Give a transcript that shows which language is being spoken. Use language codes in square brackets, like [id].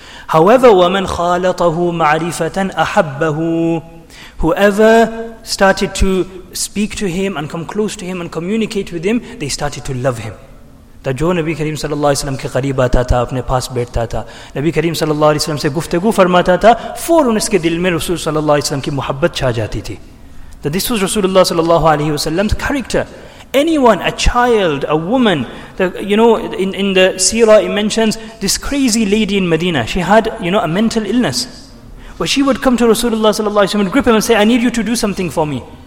[ar] However, وَمَنْ خَالَطَهُ مَعْرِفَةً أَحَبَّهُ. [en] Whoever started to speak to him and come close to him and communicate with him, they started to love him. [ur] That جو نبی کریم صلی اللہ علیہ وسلم کے قریب آتا تھا, اپنے پاس بیٹھتا تھا, نبی کریم صلی اللہ علیہ وسلم سے گفتگو فرماتا تھا, فوراً اس کے دل میں رسول صلی اللہ علیہ وسلم کی محبت چھا جاتی تھی. [en] That this was Rasulullah صلی اللہ علیہ وسلم's character. Anyone, a child, a woman, you know, in the seerah it mentions this crazy lady in Medina. She had, you know, a mental illness. But she would come to Rasulullah sallallahu alaihi wasallam and grip him and say, I need you to do something for me.